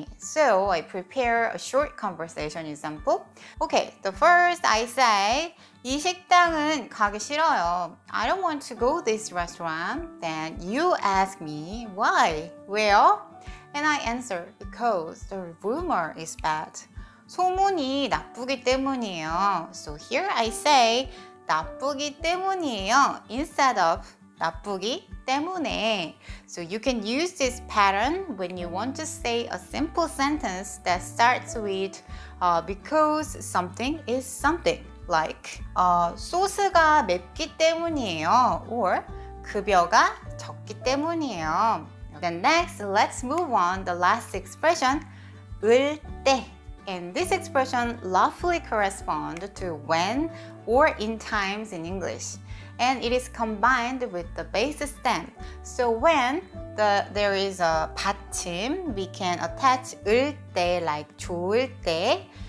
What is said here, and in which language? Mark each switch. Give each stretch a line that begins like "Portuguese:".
English: So, I prepare a short conversation example. Okay, the first I say,
Korean: 이 식당은 가기 싫어요.
English: I don't want to go to this restaurant. Then you ask me, why? 왜요? And I answer, because the rumor is bad.
Korean: 소문이 나쁘기 때문이에요.
English: So here I say,
Korean: 나쁘기 때문이에요.
English: Instead of
Korean: 나쁘기 때문에.
English: So you can use this pattern when you want to say a simple sentence that starts with because something is something.
Korean: Like 소스가 맵기 때문이에요. Or 급여가 적기 때문이에요.
English: Then next, let's move on the last expression, 을 때. And this expression roughly corresponds to when or in times in English. And it is combined with the base stem. So when there is a 받침, we can attach 을 때, like 좋을 때.